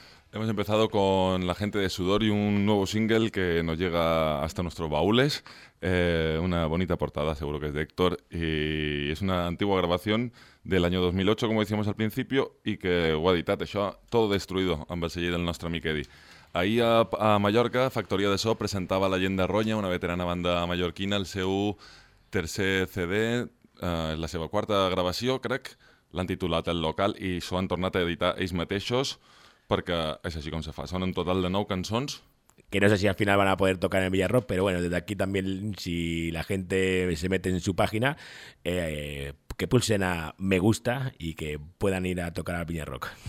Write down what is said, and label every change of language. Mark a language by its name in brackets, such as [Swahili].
[Spanish] Hemos empezado con la gente de Sudor y un nuevo single que nos llega hasta nuestros baúles. Una bonita portada, seguro que es de Héctor, y es una antigua grabación del año 2008, como decíamos al principio, y que [Catalan] ho ha editat això, Todo Destruido, amb el segell del nostre amic Edi. Ahir a Mallorca, Factoria de So presentava La Llenda Ronya, una veterana banda mallorquina, el seu tercer CD, la seva quarta gravació, crec, l'han titulat El Local, i s'ho han tornat a editar ells mateixos, perquè és així com se fa. Són un total de 9 cançons. [Spanish] Que no sé si al final van a poder tocar en Villarroel, pero bueno, desde aquí también, si la gente se mete en su página, que pulsen a Me Gusta y que puedan ir a tocar al Villarroel.